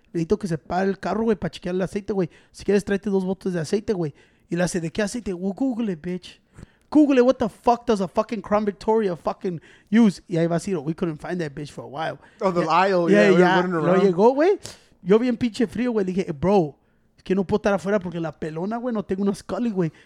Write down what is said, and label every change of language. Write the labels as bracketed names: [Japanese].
[Spanish] Necesito que se pare el carro, güey, para chequear el aceite, güey. Si quieres, tráete dos botes de aceite, güey. Y le hace, ¿de qué aceite? [English] Well, Google it, bitch. Google it. What the fuck does a fucking Crown Victoria fucking use? [Spanish] Y ahí va a decir, [English] we couldn't find that bitch for a while. Oh, the aisle. Yeah. We're running around. [Spanish] Lo llegó, güey. Yo bien pinche frío, güey. Le dije, bro, es que no puedo estar afuera porque la pelona, güey, no tengo una Scully, güey.